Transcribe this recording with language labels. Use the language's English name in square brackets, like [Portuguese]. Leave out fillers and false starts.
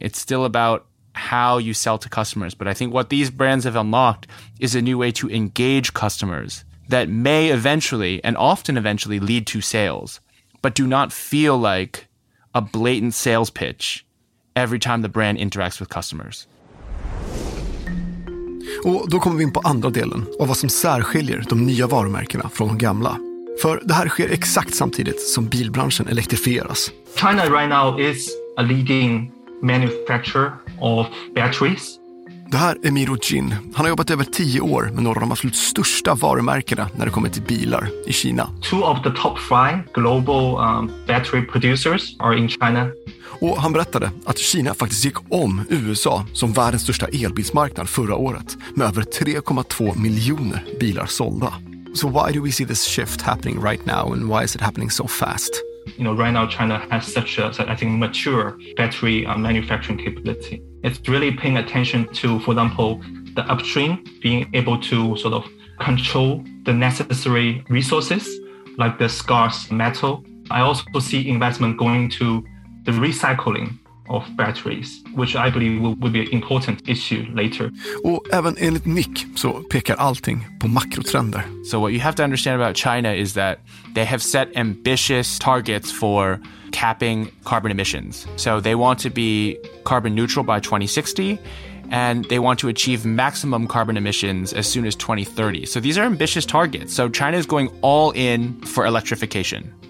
[English] It's still about how you sell to customers. But I think what these brands have unlocked is a new way to engage customers that may eventually, and often eventually, lead to sales, but do not feel like a blatant sales pitch every time the brand interacts with customers. [Swedish] Och då kommer vi in på andra delen av vad som särskiljer de nya varumärkena från de gamla. För det här sker exakt samtidigt som bilbranschen elektrifieras. [English] China right now is a leading manufacturer of batteries. [Swedish] Det här är Miro Jin. Han har jobbat över 10 år med några av de absolut största varumärkena när det kommer till bilar i Kina. [English] Two of the top 5 global battery producers are in China. [Swedish] Och han berättade att Kina faktiskt gick om USA som världens största elbilsmarknad förra året med över 3,2 miljoner bilar sålda. [English] So why do we see this shift happening right now and why is it happening so fast? You know, right now China has such a, I think, mature battery manufacturing capability. It's really paying attention to, for example, the upstream, being able to sort of control the necessary resources like the scarce metal. I also see investment going to the recycling of batteries, which I believe will be an important issue later. [Swedish] Och även enligt Nick så pekar allting på makrotrender. [English] So what you have to understand about China is that they have set ambitious targets for capping carbon emissions. So they want to be carbon neutral by 2060 and they want to achieve maximum carbon emissions as soon as 2030. So these are ambitious targets. So China is going all in for electrification.